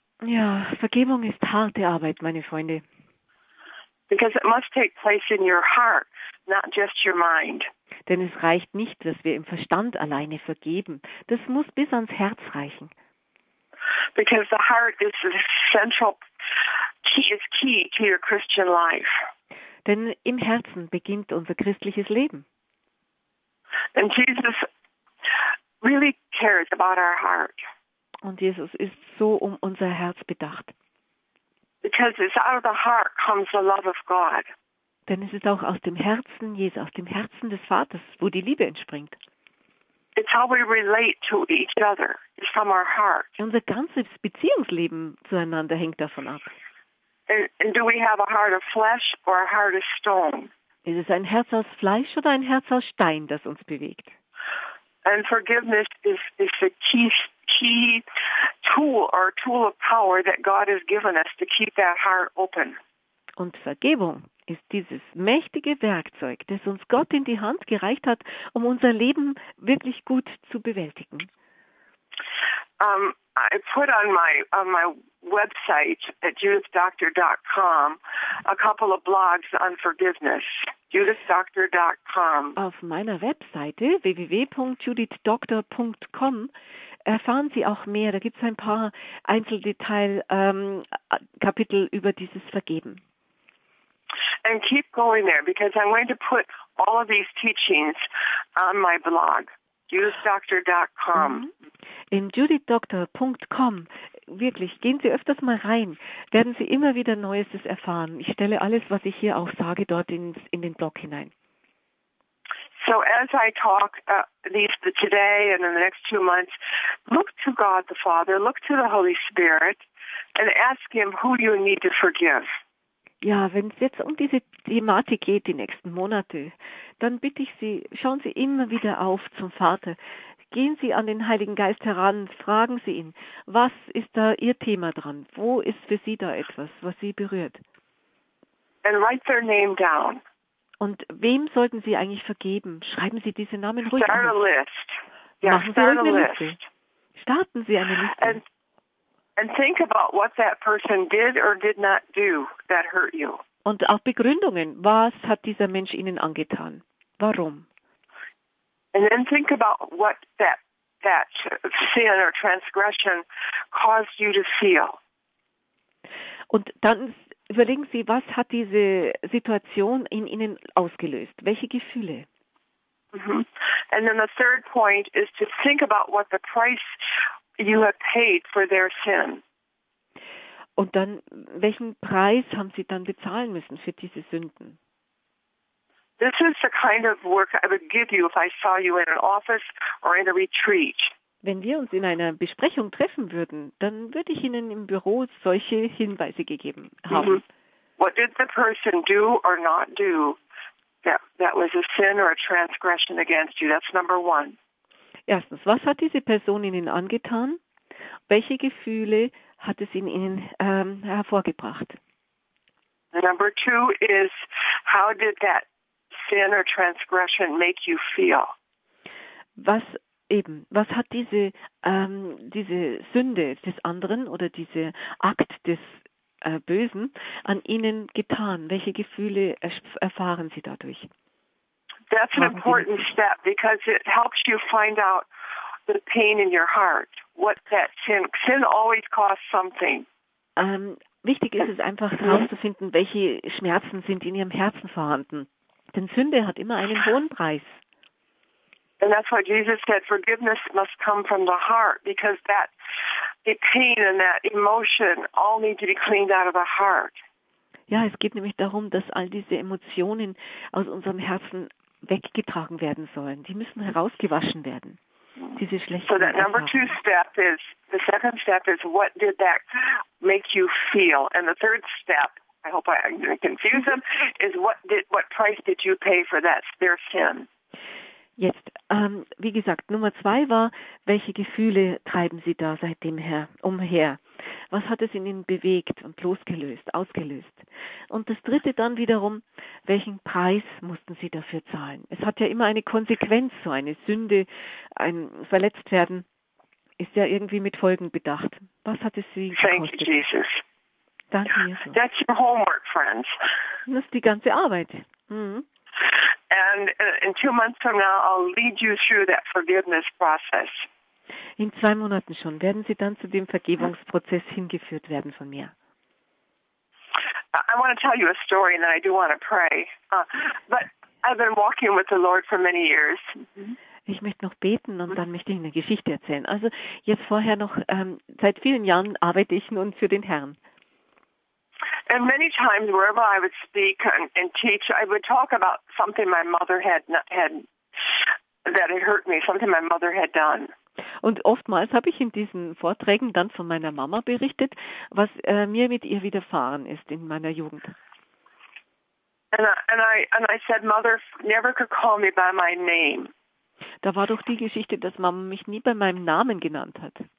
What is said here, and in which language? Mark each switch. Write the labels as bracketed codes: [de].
[de] Ja, Vergebung ist harte Arbeit, meine Freunde. [en] Because it must take place in your heart, not just your mind. [de] Denn es reicht nicht, dass wir im Verstand alleine vergeben. Das muss bis ans Herz reichen. [en] Because the heart is the central key, is key to your Christian life. [de] Denn im Herzen beginnt unser christliches Leben. [en] And Jesus really cares about our heart. [de] Und Jesus ist so um unser Herz bedacht. [en] Because it's out of the heart comes the love of God. [de] Denn es ist auch aus dem Herzen Jesu, aus dem Herzen des Vaters, wo die Liebe entspringt. [en] It's how we relate to each other. It's from our heart. [de] Unser ganzes Beziehungsleben zueinander hängt davon ab. [en] And do we have a heart of flesh or a heart of stone? [de] Ist es ein Herz aus Fleisch oder ein Herz aus Stein, das uns bewegt? [en] And forgiveness is the key tool or tool of power that God has given us to keep that heart open. [de] Und Vergebung ist dieses mächtige Werkzeug, das uns Gott in die Hand gereicht hat, um unser Leben wirklich gut zu bewältigen. [en] I put on my website at judithdoctor.com a couple of blogs on forgiveness. judithdoctor.com. [de] Auf meiner Webseite www.judithdoctor.com erfahren Sie auch mehr. Da gibt es ein paar Einzeldetail Kapitel über dieses Vergeben. [en] And keep going there, because I'm going to put all of these teachings on my blog, judithdoctor.com. Mm-hmm. [de] In judithdoctor.com. Wirklich, gehen Sie öfters mal rein, werden Sie immer wieder Neuestes erfahren. Ich stelle alles, was ich hier auch sage, dort in den Blog hinein. [en] So as I talk today and in the next 2 months, look to God the Father, look to the Holy Spirit and ask him who you need to forgive. [de] Ja, wenn es jetzt um diese Thematik geht, die nächsten Monate, dann bitte ich Sie, schauen Sie immer wieder auf zum Vater. Gehen Sie an den Heiligen Geist heran, fragen Sie ihn, was ist da Ihr Thema dran? Wo ist für Sie da etwas, was Sie berührt? [en] And write their name down. [de] Und wem sollten Sie eigentlich vergeben? Schreiben Sie diese Namen ruhig [en] start [de] auf. [en] A list. Yeah, [de] machen Sie eine Liste. Starten Sie eine Liste. [en] And think about what that person did or did not do that hurt you. [de] Und auch Begründungen. Was hat dieser Mensch Ihnen angetan? Warum? [en] And then think about what that sin or transgression caused you to feel. [de] Und dann überlegen Sie, was hat diese Situation in Ihnen ausgelöst? Welche Gefühle? Mm-hmm. [en] And then the third point is to think about what the price you have paid for their sin. [de] Und dann, welchen Preis haben Sie dann bezahlen müssen für diese Sünden? [en] This is the kind of work I would give you if I saw you in an office or in a retreat. [de] Wenn wir uns in einer Besprechung treffen würden, dann würde ich Ihnen im Büro solche Hinweise gegeben haben. Mm-hmm. [en] What did the person do or not do that was a sin or a transgression against you? That's number one. [de] Erstens, was hat diese Person Ihnen angetan? Welche Gefühle hat es in Ihnen hervorgebracht? [en] Number two is, how did that sin or transgression make you feel? [de] Was hat diese diese Sünde des anderen oder diese Akt des Bösen an Ihnen getan? Welche Gefühle erfahren Sie dadurch? [en] That's an important step because it helps you find out the pain in your heart. What that sin? Sin always costs something. [de] Wichtig ist es einfach herauszufinden, welche Schmerzen sind in Ihrem Herzen vorhanden. Denn Sünde hat immer einen hohen Preis. [en] And that's why Jesus said, forgiveness must come from the heart, because that the pain and that emotion all need to be cleaned out of the heart. [de] Ja, es geht nämlich darum, dass all diese Emotionen aus unserem Herzen weggetragen werden sollen. Die müssen herausgewaschen werden. Diese schlechten Erfahrungen. [en] So that number two step is, the second step is, what did that make you feel? And the third step, I hope I didn't confuse them, is what price did you pay for that, their sin? [de] Jetzt, wie gesagt, Nummer zwei war, welche Gefühle treiben Sie da seitdem her, umher? Was hat es in Ihnen bewegt und losgelöst, ausgelöst? Und das dritte dann wiederum, welchen Preis mussten Sie dafür zahlen? Es hat ja immer eine Konsequenz, so eine Sünde, ein Verletztwerden ist ja irgendwie mit Folgen bedacht. Was hat es Sie gekostet? [en] Thank you, Jesus. [de] Danke, Jesus. [en] That's your homework, friends. [de] Das ist die ganze Arbeit. Mhm. [en] And in 2 months from now, I'll lead you through that forgiveness process. [de] In 2 Monaten schon werden Sie dann zu dem Vergebungsprozess hingeführt werden von mir. [en] I want to tell you a story, and I do want to pray. But I've been walking with the Lord for many years. [de] Ich möchte noch beten und dann möchte ich eine Geschichte erzählen. Also jetzt vorher noch seit vielen Jahren arbeite ich nun für den Herrn. [en] And many times, wherever I would speak and teach, I would talk about something my mother had that had hurt me, something my mother had done. [de] Und oftmals habe ich in diesen Vorträgen dann von meiner Mama berichtet, was mir mit ihr widerfahren ist in meiner Jugend. [en] And I said, Mother never could call me by my name. [de] Da war doch die Geschichte, dass Mama mich nie bei meinem Namen genannt hat.